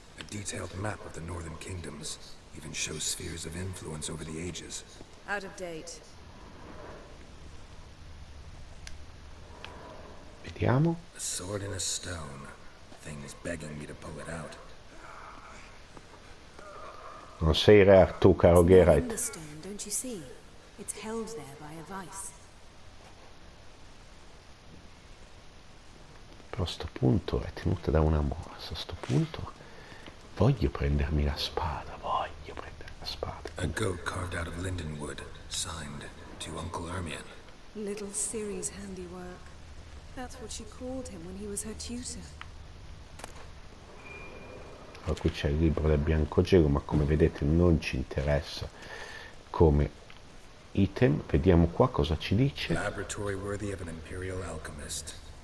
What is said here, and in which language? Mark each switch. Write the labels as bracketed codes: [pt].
[en] Detailed map of the Northern Kingdoms even shows spheres of influence over the ages. Out of date. [it] Vediamo. [en] A sword in a stone. Things begging me to pull it out. [it] Non sei re Artù, caro Geralt. [en] It's in the stone, don't you see? It's held there by a vice. [it] Però sto punto è tenuta da una morsa. Sto punto. Voglio prendermi la spada, voglio prendere la spada. [en] A goat carved out of lindenwood, signed to Uncle Ermion. Little Ciri's handiwork. That's what she called him when he was her tutor. [it] Oh, qui c'è il libro del Biancogelo, ma come vedete non ci interessa come item. Vediamo qua cosa ci dice. [en] Laboratory worthy of an imperial alchemist.